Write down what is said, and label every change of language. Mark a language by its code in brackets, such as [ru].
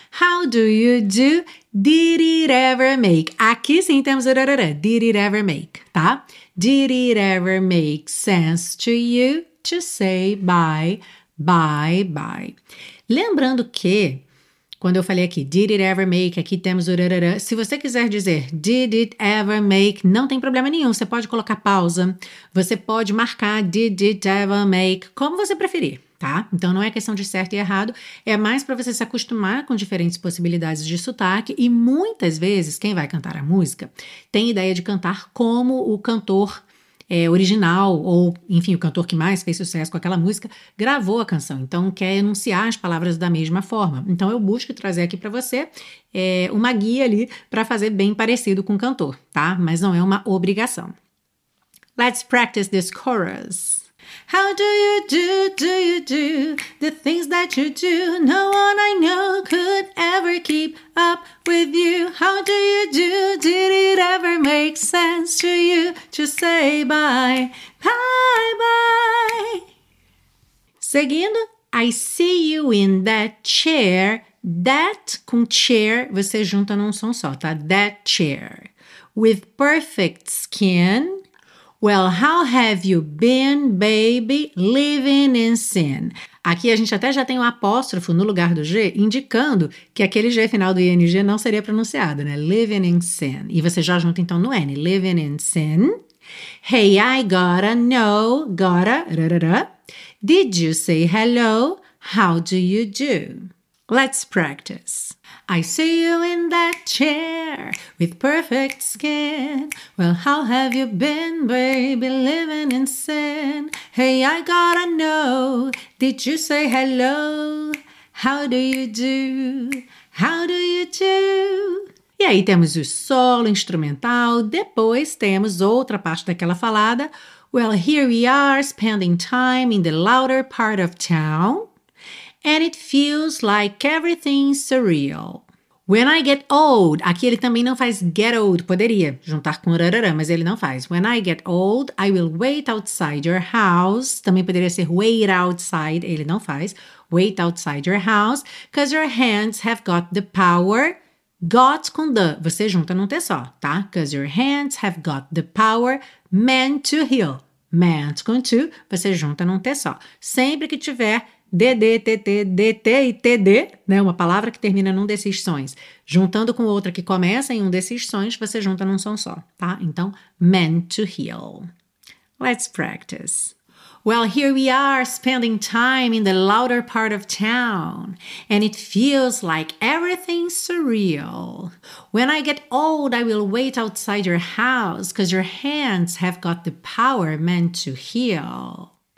[en] How do you do? Did it ever make? [pt] Aqui sim temos o rarara. [en] Did it ever make? [pt] Tá? [en] Did it ever make sense to you to say bye, bye, bye? [pt] Lembrando que, quando eu falei aqui, [en] did it ever make? [pt] Aqui temos o rarara. Se você quiser dizer [en] did it ever make, [pt] não tem problema nenhum. Você pode colocar pausa. Você pode marcar [en] did it ever make, [pt] como você preferir. Tá? Então, não é questão de certo e errado, é mais para você se acostumar com diferentes possibilidades de sotaque. E muitas vezes, quem vai cantar a música tem ideia de cantar como o cantor original, ou enfim, o cantor que mais fez sucesso com aquela música, gravou a canção. Então, quer enunciar as palavras da mesma forma. Então, eu busco trazer aqui para você uma guia ali para fazer bem parecido com o cantor, tá? Mas não é uma obrigação. [en] Let's practice this chorus. How do you do the things that you do? No one I know could ever keep up with you. How do you do? Did it ever make sense to you to say bye, bye, bye? [pt] Seguindo, [en] I see you in that chair. [pt] That com chair você junta num som só, tá? [en] That chair. With perfect skin. Well, how have you been, baby, living in sin? [pt] Aqui a gente até já tem um apóstrofo no lugar do G, indicando que aquele G final do ING não seria pronunciado, né? [en] Living in sin. [pt] E você já junta então no N, [en] living in sin. Hey, I gotta know, gotta, rarara. Did you say hello? How do you do? Let's practice. I see you in that chair with perfect skin. Well, how have you been, baby, living in sin? Hey, I gotta know. Did you say hello? How do you do? How do you do? [pt] E aí temos o solo instrumental, depois temos outra parte daquela falada. [en] Well, here we are spending time in the louder part of town. And it feels like everything's surreal. When I get old, [pt] aqui ele também não faz get old, poderia juntar com rarara, mas ele não faz. [en] When I get old, I will wait outside your house. [pt] Também poderia ser [en] wait outside, [pt] ele não faz. [en] Wait outside your house, because your hands have got the power. [pt] Got com the, você junta num T só, tá? [en] Because your hands have got the power meant to heal. [pt] Meant com to, você junta num T só. Sempre que tiver DD, TT, DT e TD, né? Uma palavra que termina num desses sons, juntando com outra que começa em um desses sons, você junta num som só, tá? Então, [en] meant to heal. Let's practice. Well, here we are spending time in the louder part of town, and it feels like everything's surreal. When I get old, I will wait outside your house, because your hands have got the power meant to heal.